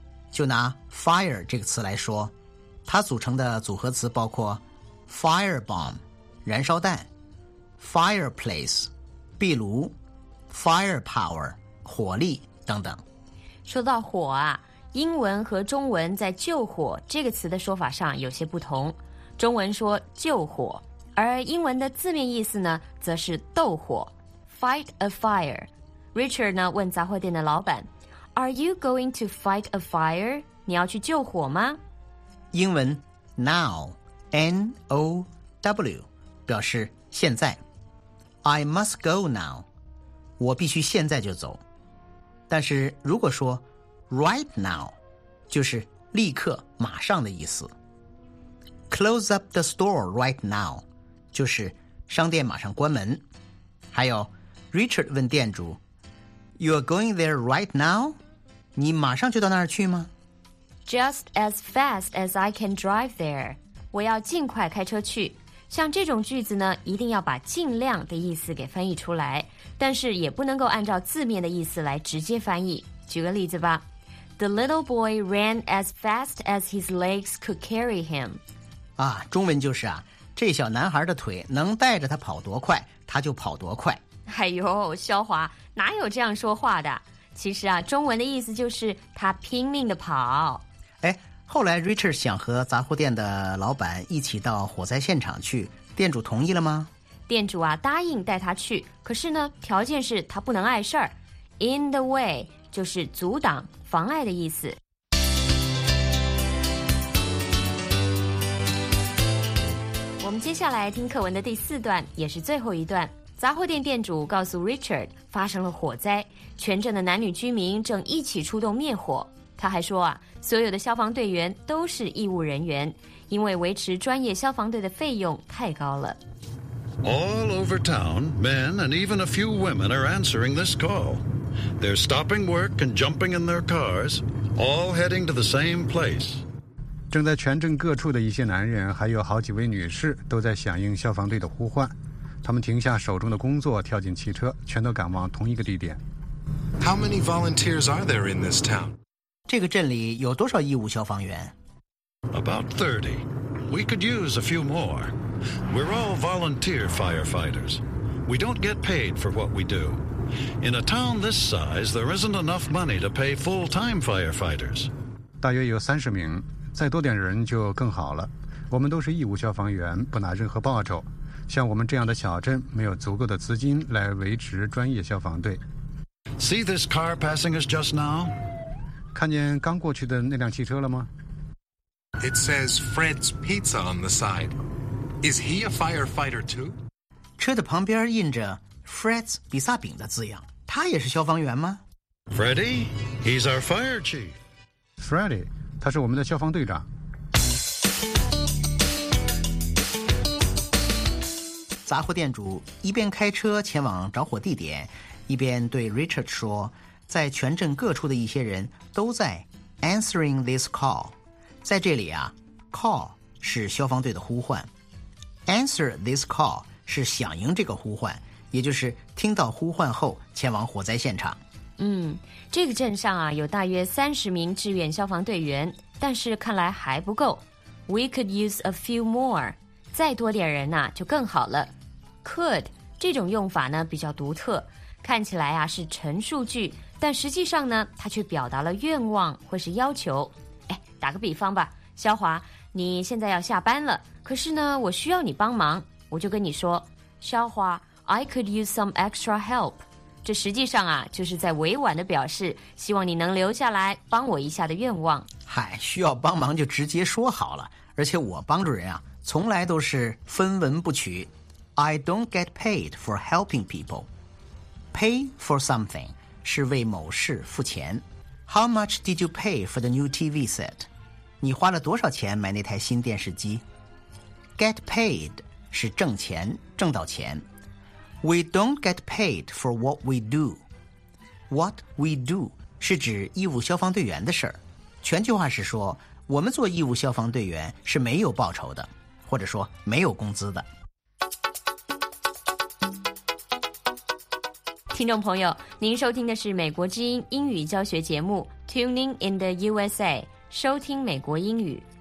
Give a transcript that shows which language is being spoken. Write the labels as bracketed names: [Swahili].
[Chinese] 就拿 fire 这个词来说，它组成的组合词包括 firebomb 燃烧弹、 fireplace 壁炉、 firepower 火力等等。说到火啊，英文和中文在救火这个词的说法上有些不同，中文说救火，而英文的字面意思呢则是斗火， [English] fight a fire。 Richard [Chinese] 呢问杂货店的老板， [English] Are you going to fight a fire? [Chinese] 你要去救火吗？英文 now N-O-W 表示现在， [English] I must go now， [Chinese] 我必须现在就走。但是如果说 [English] Right now [Chinese] 就是立刻马上的意思， [English] Close up the store right now [Chinese] 就是商店马上关门。 [English] 还有 Richard [Chinese] 问店主， [English] You are going there right now? [Chinese] 你马上就到那儿去吗？ [English] Just as fast as I can drive there， [Chinese] 我要尽快开车去。像这种句子呢，一定要把尽量的意思给翻译出来，但是也不能够按照字面的意思来直接翻译。 [English] 举个例子吧，The little boy ran as fast as his legs could carry him. [Chinese] 啊，中文就是啊，这小男孩的腿能带着他跑多快，他就跑多快。哎呦，肖华，哪有这样说话的？其实啊，中文的意思就是他拼命的跑。哎，后来 Richard 想和杂货店的老板一起到火灾现场去，店主同意了吗？店主啊，答应带他去，可是呢，条件是他不能碍事儿。 [English] In the way [Chinese] 就是阻挡妨碍的意思。我们接下来听课文的第四段，也是最后一段。杂货店店主告诉 Richard 发生了火灾，全镇的男女居民正一起出动灭火。他还说啊，所有的消防队员都是义务人员，因为维持专业消防队的费用太高了。 [English] All over town, men and even a few women are answering this call. They're stopping work and jumping in their cars, all heading to the same place. [Chinese] 正在全镇各处的一些男人还有好几位女士都在响应消防队的呼唤，他们停下手中的工作，跳进汽车，全都赶往同一个地点。 [English] How many volunteers are there in this town? [Chinese] 这个镇里有多少义务消防员？ [English] About 30. We could use a few more. We're all volunteer firefighters. We don't get paid for what we do. In a town this size, there isn't enough money to pay full-time firefighters. [Chinese] 大约有三十名，再多点人就更好了。我们都是义务消防员，不拿任何报酬。像我们这样的小镇，没有足够的资金来维持专业消防队。 [English] See this car passing us just now? [Chinese] 看见刚过去的那辆汽车了吗？ [English] It says Fred's Pizza on the side. Is he a firefighter too? [Chinese] 车的旁边印着Fred's 比萨饼的字样，他也是消防员吗？ [English] Freddy, he's our fire chief. [Chinese] Freddy, 他是我们的消防队长。杂货店主一边开车前往着火地点，一边对 Richard 说，在全镇各处的一些人都在 [English] answering this call。 [Chinese] 在这里啊， call 是消防队的呼唤， [English] answer this call [Chinese] 是响应这个呼唤，也就是听到呼唤后前往火灾现场。嗯，这个镇上啊有大约三十名志愿消防队员，但是看来还不够。 [English] We could use a few more， [Chinese] 再多点人呢、啊、就更好了。 Could 这种用法呢比较独特，看起来啊是陈述句，但实际上呢它却表达了愿望或是要求。哎，打个比方吧，肖华，你现在要下班了，可是呢我需要你帮忙，我就跟你说，肖华。 [English] I could use some extra help. [Chinese] 这实际上啊，就是在委婉的表示，希望你能留下来帮我一下的愿望。嗨，需要帮忙就直接说好了。而且我帮助人啊，从来都是分文不取。 [English] I don't get paid for helping people. Pay for something [Chinese] 是为某事付钱。 [English] How much did you pay for the new TV set? [Chinese] 你花了多少钱买那台新电视机？ [English] Get paid [Chinese] 是挣钱，挣到钱。 [English] We don't get paid for what we do. What we do [Chinese] 是指义务消防队员的事儿。全句话是说，我们做义务消防队员是没有报酬的，或者说没有工资的。听众朋友，您收听的是美国之音英语教学节目 Tuning in the USA， 收听美国英语。